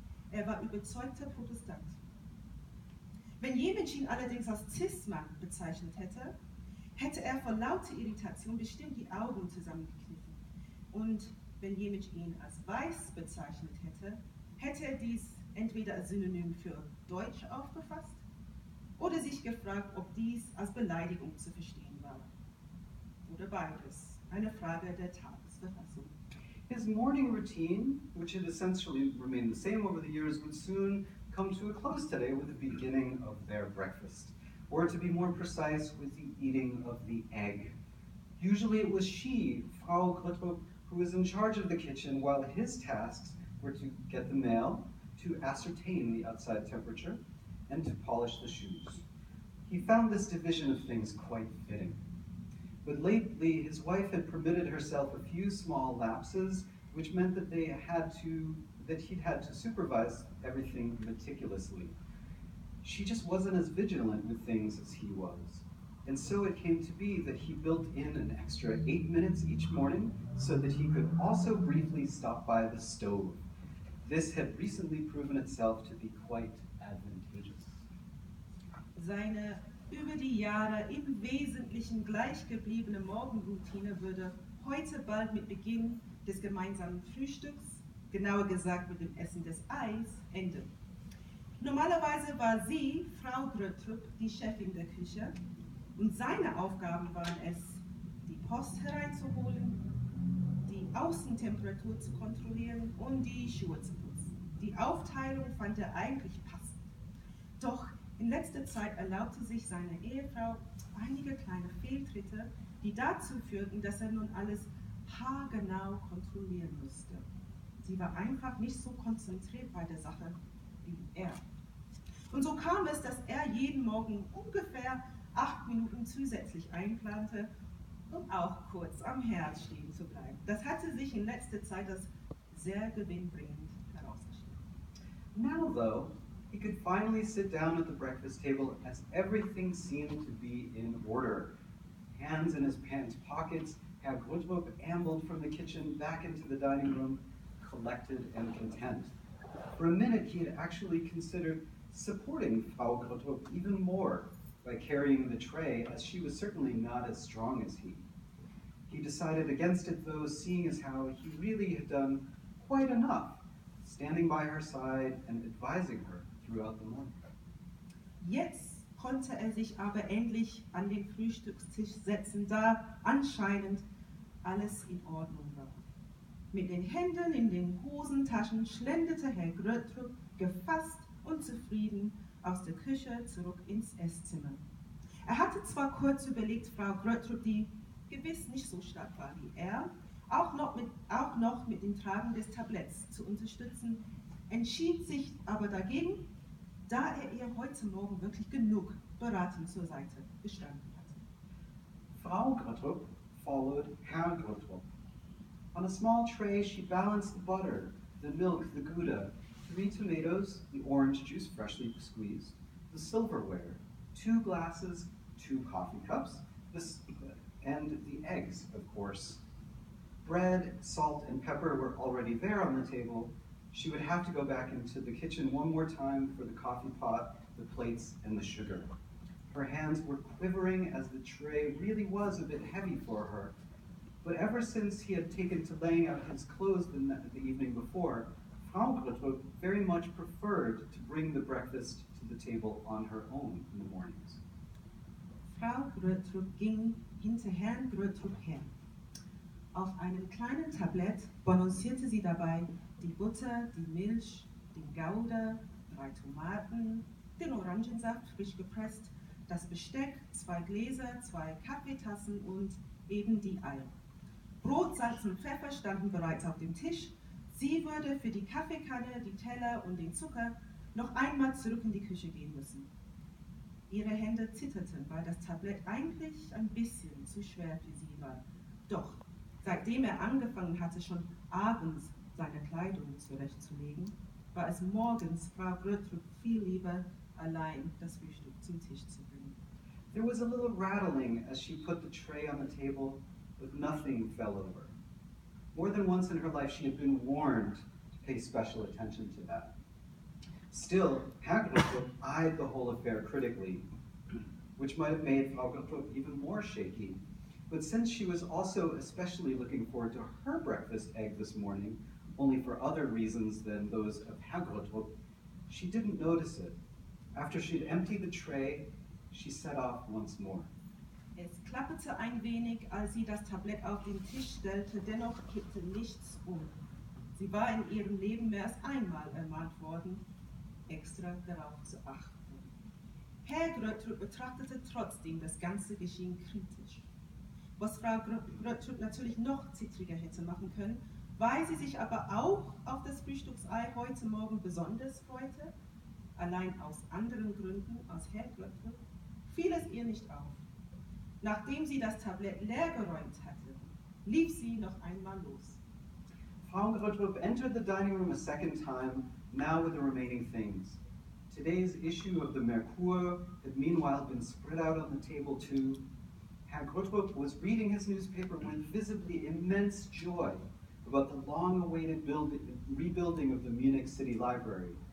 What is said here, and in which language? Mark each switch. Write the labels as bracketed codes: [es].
[de] Er war überzeugter Protestant. Wenn jemand ihn allerdings als Cis-Mann bezeichnet hätte, hätte er vor lauter Irritation bestimmt die Augen zusammengekniffen. Und wenn jemand ihn als weiß bezeichnet hätte, hätte er dies entweder als Synonym für Deutsch aufgefasst oder sich gefragt, ob dies als Beleidigung zu verstehen war. Oder beides. Eine Frage der Tagesverfassung. [en] His morning routine, which had essentially remained the same over the years, would soon come to a close today with the beginning of their breakfast, or to be more precise, with the eating of the egg. Usually it was she, Frau Grötrup, who was in charge of the kitchen, while his tasks were to get the mail, to ascertain the outside temperature, and to polish the shoes. He found this division of things quite fitting. But lately, his wife had permitted herself a few small lapses, which meant that he'd had to supervise everything meticulously. She just wasn't as vigilant with things as he was. And so it came to be that he built in an extra 8 minutes each morning so that he could also briefly stop by the stove. This had recently proven itself to be quite advantageous. [de] Seine über die Jahre im Wesentlichen gleich gebliebene Morgenroutine würde heute bald mit Beginn des gemeinsamen Frühstücks, genauer gesagt mit dem Essen des Eis, enden. Normalerweise war sie, Frau Grötrup, die Chefin der Küche und seine Aufgaben waren es, die Post hereinzuholen, die Außentemperatur zu kontrollieren und die Schuhe zu putzen. Die Aufteilung fand er eigentlich passend. Doch in letzter Zeit erlaubte sich seine Ehefrau einige kleine Fehltritte, die dazu führten, dass er nun alles haargenau kontrollieren musste. Sie war einfach nicht so konzentriert bei der Sache wie er. Und so kam es, dass er jeden Morgen ungefähr 8 Minuten zusätzlich einplante, um auch kurz am Herd stehen zu bleiben. Das hatte sich in letzter Zeit als sehr gewinnbringend herausgestellt. [en] Now though, he could finally sit down at the breakfast table as everything seemed to be in order. Hands in his pants pockets, Herr Grötrup ambled from the kitchen back into the dining room, collected and content. For a minute, he had actually considered supporting Frau Grötrup even more by carrying the tray, as she was certainly not as strong as he. He decided against it, though, seeing as how he really had done quite enough, standing by her side and advising her throughout the morning. [de] Jetzt konnte er sich aber endlich an den Frühstückstisch setzen, da anscheinend alles in Ordnung war. Mit den Händen in den Hosentaschen schlenderte Herr Grötrup gefasst und zufrieden aus der Küche zurück ins Esszimmer. Er hatte zwar kurz überlegt, Frau Grötrup, die gewiss nicht so stark war wie er, auch noch mit dem Tragen des Tabletts zu unterstützen, entschied sich aber dagegen, da er ihr heute Morgen wirklich genug Beratung zur Seite gestanden hatte. [en] Frau Grötrup followed Herr Grötrup. On a small tray she balanced the butter, the milk, the gouda, three tomatoes, the orange juice freshly squeezed, the silverware, two glasses, two coffee cups, and the eggs, of course. Bread, salt, and pepper were already there on the table. She would have to go back into the kitchen one more time for the coffee pot, the plates, and the sugar. Her hands were quivering as the tray really was a bit heavy for her. But ever since he had taken to laying out his clothes the evening before, Frau Grötrup very much preferred to bring the breakfast to the table on her own in the mornings. [de] Frau Grötrup ging hinter Herrn Grötrup her. Auf einem kleinen Tablett balancierte sie dabei die Butter, die Milch, den Gouda, drei Tomaten, den Orangensaft frisch gepresst, das Besteck, zwei Gläser, zwei Kaffeetassen und eben die Eier. Brot, Salz und Pfeffer standen bereits auf dem Tisch. Sie würde für die Kaffeekanne, die Teller und den Zucker noch einmal zurück in die Küche gehen müssen. Ihre Hände zitterten, weil das Tablett eigentlich ein bisschen zu schwer für sie war. Doch, seitdem er angefangen hatte, schon abends seine Kleidung zurechtzulegen, war es morgens Frau Grötrup viel lieber, allein das Frühstück zum Tisch zu bringen. [en] There was a little rattling as she put the tray on the table, but nothing fell over. More than once in her life, she had been warned to pay special attention to that. Still, Herr Grötrup eyed the whole affair critically, which might have made Frau Grötrup even more shaky. But since she was also especially looking forward to her breakfast egg this morning, only for other reasons than those of Herr Grötrup, she didn't notice it. After she'd emptied the tray, she set off once more. [de] Es klapperte ein wenig, als sie das Tablett auf den Tisch stellte, dennoch kippte nichts um. Sie war in ihrem Leben mehr als einmal ermahnt worden, extra darauf zu achten. Herr Grötrup betrachtete trotzdem das ganze Geschehen kritisch. Was Frau Grötrup natürlich noch zittriger hätte machen können, weil sie sich aber auch auf das Frühstücksei heute Morgen besonders freute, allein aus anderen Gründen als Herr Grötrup, fiel es ihr nicht auf. Nachdem sie das Tablett leergeräumt hatte, lief sie noch einmal los. [en] Frau Grötrup entered the dining room a second time, now with the remaining things. Today's issue of the Merkur had meanwhile been spread out on the table too. Herr Grötrup was reading his newspaper with visibly immense joy about the long-awaited rebuilding of the Munich City Library.